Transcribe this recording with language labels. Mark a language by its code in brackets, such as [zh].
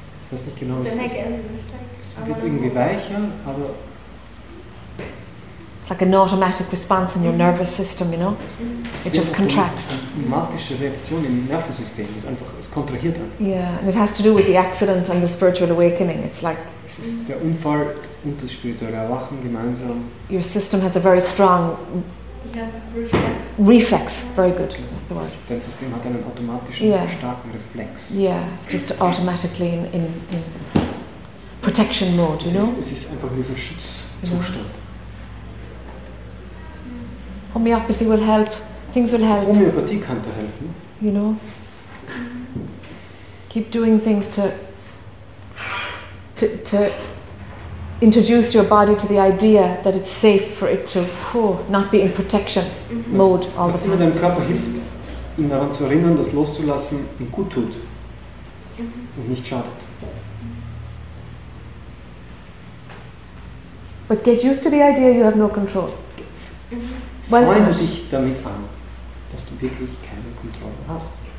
[de] Ich weiß nicht genau, es wird irgendwie weicher, aber... [en] It's like an automatic response in your nervous system, you know? It just contracts. [de] Es ist eine automatische Reaktion im Nervensystem. Es kontrahiert einfach. [en] Yeah, and it has to do with the accident and the spiritual awakening. It's like... [de] Es ist der Unfall und das spirituelle Erwachen gemeinsam. [en] Your system has a very strong... Yes, reflex. Reflex, very good. [de] Dein System hat einen automatischen, starken Reflex. [en] Yeah, it's just automatically in protection mode, you know? [de] Es ist einfach in diesem Schutzzustand. [en] Homeopathy will help. Things will help. [de] Homöopathie kann da helfen. [en] You know? Keep doing things to introduce your body to the idea that it's safe for it to not be in protection mode all the time. [de] Was deinem Körper hilft, ihn daran zu erinnern, das loszulassen, ihm gut tut und nicht schadet. [en] But get used to the idea you have no control. [de] Freunde dich damit an, dass du wirklich keine Kontrolle hast.